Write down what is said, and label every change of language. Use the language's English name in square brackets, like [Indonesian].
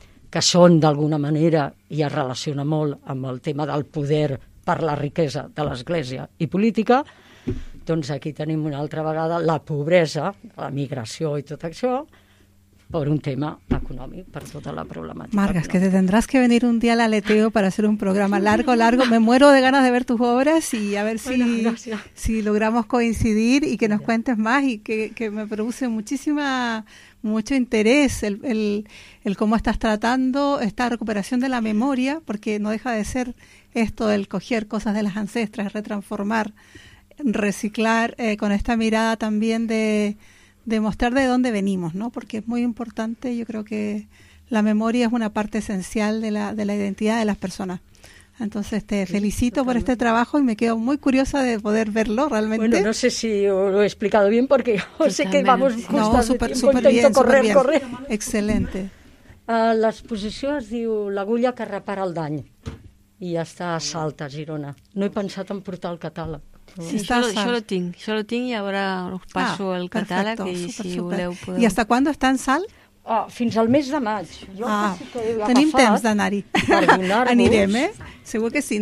[Catalan] que són d'alguna manera i es relaciona molt amb el tema del poder per la riquesa de l'Església i política, doncs aquí tenim una altra vegada la pobresa, la migració i tot això, per un tema econòmic, per tota la problemàtica. [Spanish] Marga, que te tendrás que venir un dia a l'Aleteo per fer un programa largo. Me muero de ganas de ver tus obras y a ver si logramos coincidir y que nos cuentes más y que me produce mucho interés el cómo estás tratando esta recuperación de la memoria, porque no deja de ser esto del coger cosas de las ancestras, retransformar, reciclar, con esta mirada también de mostrar de dónde venimos, ¿no? Porque es muy importante, yo creo que la memoria es una parte esencial de la identidad de las personas. Entonces, te felicito por este trabajo y me quedo muy curiosa de poder verlo realmente. Bueno, no sé si lo he explicado bien porque sé que vamos justo no, super, super bien, intento correr, bien. Correr. Excelente. La exposición es diu L'agulla que repara el dany. [Catalan] I ja està a Salt, a Girona. No he pensat en portar el catàleg. Sí, jo lo tinc i ara us passo el catàleg. [Spanish] Perfecto, [Catalan] si voleu podeu. I hasta quan està en Salt? Fins al mes de maig. Tenim temps d'anar-hi. Anirem, Segur que sí.